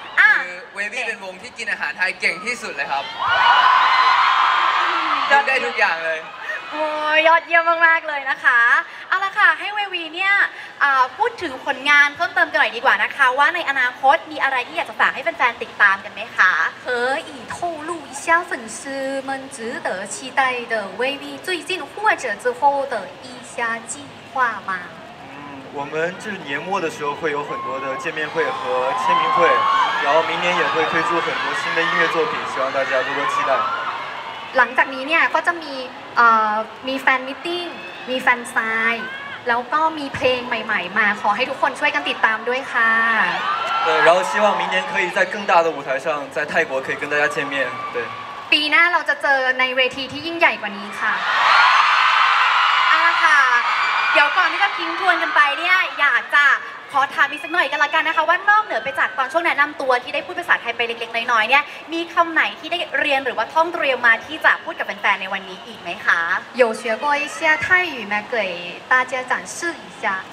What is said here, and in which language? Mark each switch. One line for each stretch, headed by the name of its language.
Thai: คือเวฟี่เป็นวงที่กินอาหารไทยเก่งที่สุดเลยครับกินได้ทุกอย่างเลย โอ้ยอดเยี่ยมมากๆเลยนะคะเอาละค่ะให้เววีเนี่ยพูดถึงผลงานเพิ่มเติมกันหน่อยดีกว่านะคะว่าในอนาคตมีอะไรที่อยากจะฝากให้แฟนๆติดตามกันไหมคะ
Chinese: 可以透露一下粉丝们值得期待的เววี最近或者之后的一些计划吗我们就是年末的时候会有很多的见面会和签名会然后明年也会推出很多新的音乐作品希望大家多多期待
Thai: หลังจากนี้เนี่ยก็จะมีแฟนมีตติ้งมีแฟนไซน์แล้วก็มีเพลงใหม่ๆมาขอให้ทุกคนช่วยกันติดตามด้วยค่ะ
Chinese: แล้ว希望明年可以在更大的舞台上在泰国可以跟大家见面
Thai: ปีหน้าเราจะเจอในเวทีที่ยิ่งใหญ่กว่านี้ค่ะ ค่ะเดี๋ยวก่อนที่จะทิ้งทวนกันไปเนี่ยอยากจะขอถามอีกสักหน่อยกันละกันนะคะว่านอกเหนือไปจากตอนช่วงแนะนำตัวที่ได้พูดภาษาไทยไปเล็กๆน้อยๆเนี่ยมีคำไหนที่ได้เรียนหรือว่าท่องเรียนมาที่จะพูดกับแฟนๆในวันนี้อีกไหมคะ
Chinese: 有学过一些泰语吗给大家展示一下